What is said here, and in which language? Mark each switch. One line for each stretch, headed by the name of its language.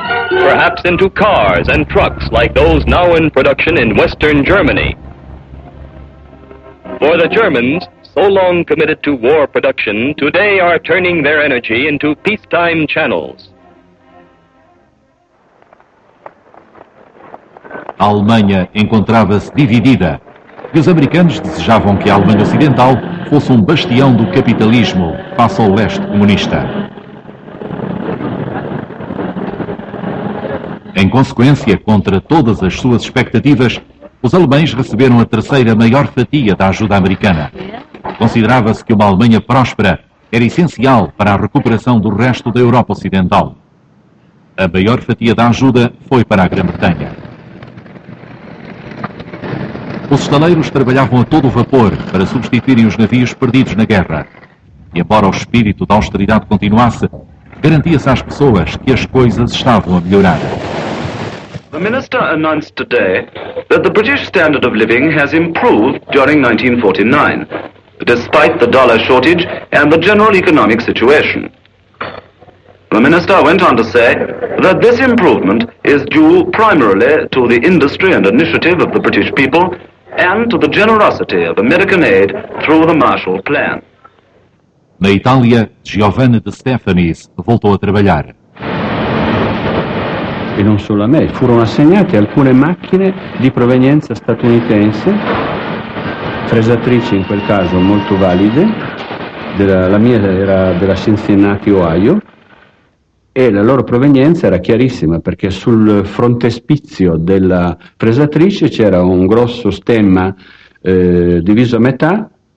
English: Perhaps into cars and trucks like those now in production in Western Germany. For the Germans, so long committed to war production, today are turning their energy into peacetime channels.
Portuguese: A Alemanha encontrava-se dividida e os americanos desejavam que a Alemanha Ocidental fosse um bastião do capitalismo face ao leste comunista. Em consequência, contra todas as suas expectativas, os alemães receberam a terceira maior fatia da ajuda americana. Considerava-se que uma Alemanha próspera era essencial para a recuperação do resto da Europa Ocidental. A maior fatia da ajuda foi para a Grã-Bretanha. Os estaleiros trabalhavam a todo vapor para substituírem os navios perdidos na guerra. E embora o espírito da austeridade continuasse, garantia-se às pessoas que as coisas estavam a melhorar. The minister announced today that the British standard of living has improved during 1949, despite the dollar shortage and the general economic situation. The minister went on to say that this improvement is due primarily to the industry and initiative of the British people and to the generosity of American aid through the Marshall Plan. Na Itália, Giovanni de Stefanis voltou a trabalhar.
Italian: E non solo a me, furono assegnate alcune macchine di provenienza statunitense, fresatrici in quel caso molto valide, la mia era della Cincinnati, Ohio, e la loro provenienza era chiarissima, perché sul frontespizio della fresatrice c'era un grosso stemma diviso a metà,